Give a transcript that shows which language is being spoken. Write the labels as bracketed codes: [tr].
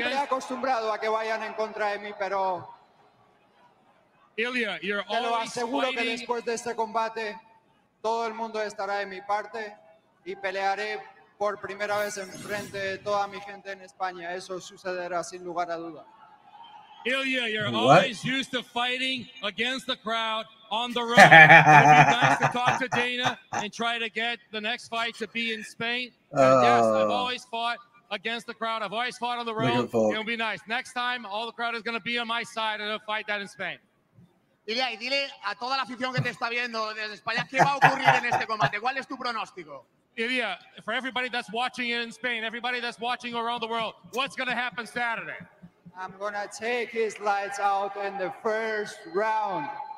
[es] Estoy siempre acostumbrado a que vayan en contra de mí, pero... [en] Ilia, you're always fighting... [es] Te lo aseguro [en] fighting... [es] que después de este combate, todo el mundo estará de mi parte y pelearé por primera vez en frente de toda mi gente en España. Eso sucederá sin lugar a duda. [en] Ilya, you're what? Always used to fighting against the crowd on the road. It'd be nice to talk to Dana and try to get the next fight to be in Spain. Yes, I've always fought against the crowd. I've always fought on the road. It'll be nice. Next time, all the crowd is going to be on my side and I'll fight that in Spain. [es] Ilya, y dile a toda la afición que te está viendo desde España qué va a ocurrir en este combate. ¿Cuál es tu pronóstico? [en] Ilya, for everybody that's watching in Spain, everybody that's watching around the world, what's going to happen Saturday? I'm going to take his lights out in the first round.